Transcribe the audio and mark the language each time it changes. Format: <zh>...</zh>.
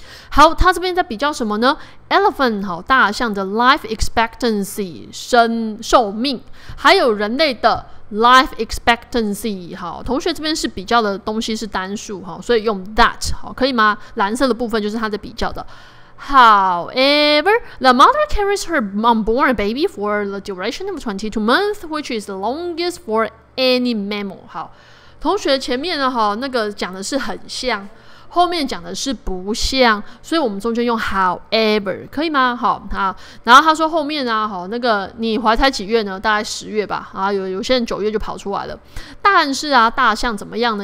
<zh>好，他这边在比较什么呢？ Elephant 好，大象的 life expectancy 寿命，还有人类的 life expectancy 好，同学这边是比较的东西是单数好，所以用 that 好，可以吗？蓝色的部分就是他在比较的。</zh> <en>However, the mother carries her unborn baby for the duration of 22 months, which is the longest for any mammal。</en> <zh>好，同学前面的好那个讲的是很像。后面讲的是不像，所以我们中间用 however 可以吗？好，然后他说后面啊，好，那个你怀胎几月呢？大概十月吧，啊，有些人九月就跑出来了。但是啊，大象怎么样呢？</zh>